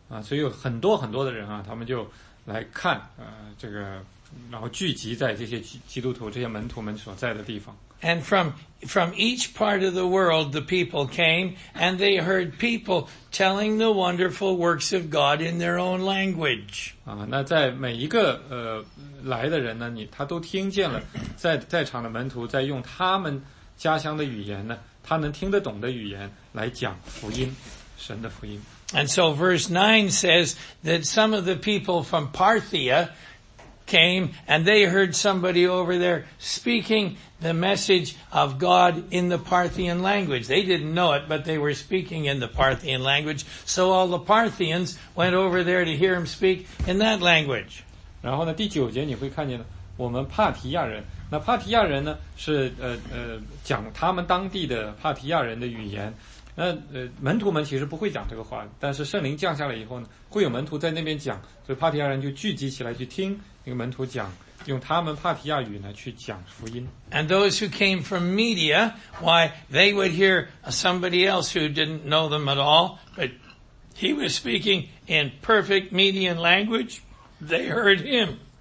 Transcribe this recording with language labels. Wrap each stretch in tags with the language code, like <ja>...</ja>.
<zh>所以有很多很多的人啊，他们就来看这个，然后聚集在这些基督徒，这些门徒们所在的地方。</zh> <en>And from each part of the world, the people came, and they heard people telling the wonderful works of God in their own language.</en> <zh>那在每一个来的人呢，他都听见了在场的门徒在用他们家乡的语言呢，他能听得懂的语言来讲福音，神的福音。</zh> <en>And so verse 9 says that some of the people from Parthia came and they heard somebody over there speaking the message of God in the Parthian language. They didn't know it, but they were speaking in the Parthian language. So all the Parthians went over there to hear him speak in that language.</en> <zh>然后呢，第九节你会看见呢，我们帕提亚人，那帕提亚人呢是讲他们当地的帕提亚人的语言。那门徒们其实不会讲这个话，但是圣灵降下来以后呢，会有门徒在那边讲，所以帕提亚人就聚集起来去听那个门徒讲，用他们帕提亚语呢去讲福音。</zh> <en>And those who came from media, why they would hear somebody else who didn't know them at all, but he was speaking in perfect Median language, they heard him.</en>